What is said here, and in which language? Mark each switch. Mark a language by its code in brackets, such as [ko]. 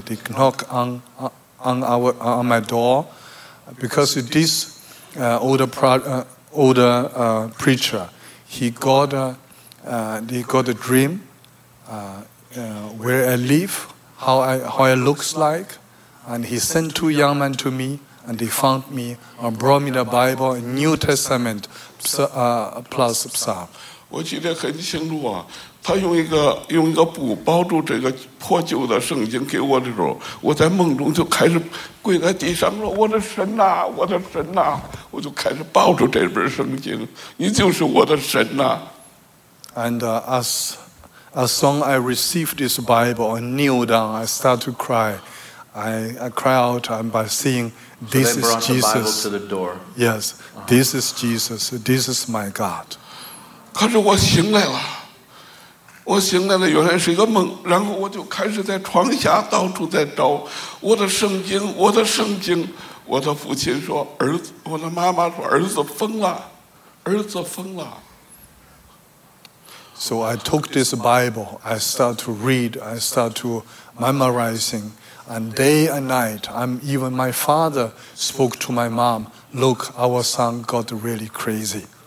[en] They knock on my door, because this older preacher, he got a dream, where I live, how I looks like, and he sent two young men to me, and they found me and brought me the Bible, New Testament, plus Psalm. [zh] 我记得很清楚啊，他用一个布包住这个破旧的圣经给我的时候，我在梦中就开始跪在地上说：“我的神呐、啊，我的神呐、啊！” 我就开始抱住这本圣经，你就是我的神呐、啊。 [en] And as soon as I received this Bible, I kneel down, I start to cry. I cry out and by saying, "This is Jesus." The Bible to the door. Yes, this is Jesus. This is my God. [zh] 可是我醒来了，我醒来了，原来是一个梦。然后我就开始在床下到处在找我的圣经，我的圣经。我的父亲说：“儿子，我的妈妈说，儿子疯了，儿子疯了。” [en] So I took this Bible, I start to read, I start to memorizing, and day and night, even my father spoke to my mom, "Look, our son got really crazy."